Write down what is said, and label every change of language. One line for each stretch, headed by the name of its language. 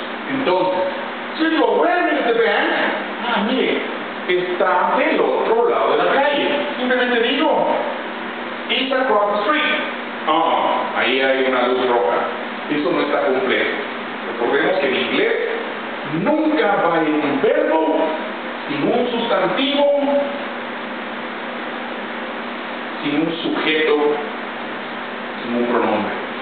Spanish: Entonces, si digo,
English: where is the bank?
Spanish: Ah, mire, está del otro lado de la calle. Simplemente digo,
English: it's across the street.
Spanish: Ah, oh, ahí hay una luz roja. Eso no está completo. Recordemos que en inglés nunca va a ir un verbo sin un sustantivo, sin un sujeto, sin un pronombre.